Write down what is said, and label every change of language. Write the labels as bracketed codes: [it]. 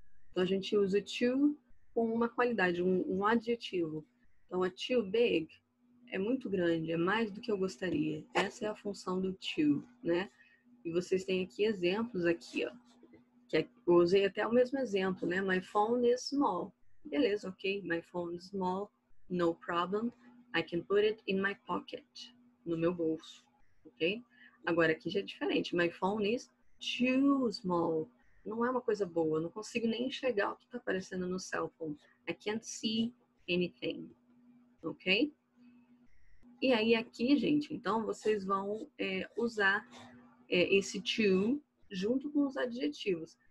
[pt] Então, a gente usa too com uma qualidade, um adjetivo. Então, a [en] too big [pt] é muito grande, é mais do que eu gostaria. Essa é a função do too, né? E vocês têm aqui exemplos aqui, ó. Que eu usei até o mesmo exemplo, né? [en] My phone is small. [pt] Beleza, [en] ok. My phone is small, no problem. I can put it in my pocket, [pt] no meu bolso, [en] ok? [pt] Agora, aqui já é diferente. [en] My phone is too small. [pt] Não é uma coisa boa, eu não consigo nem enxergar o que está aparecendo no cell phone. [en] I can't see anything, ok? [pt] E aí aqui, gente, então vocês vão usar esse to junto com os adjetivos.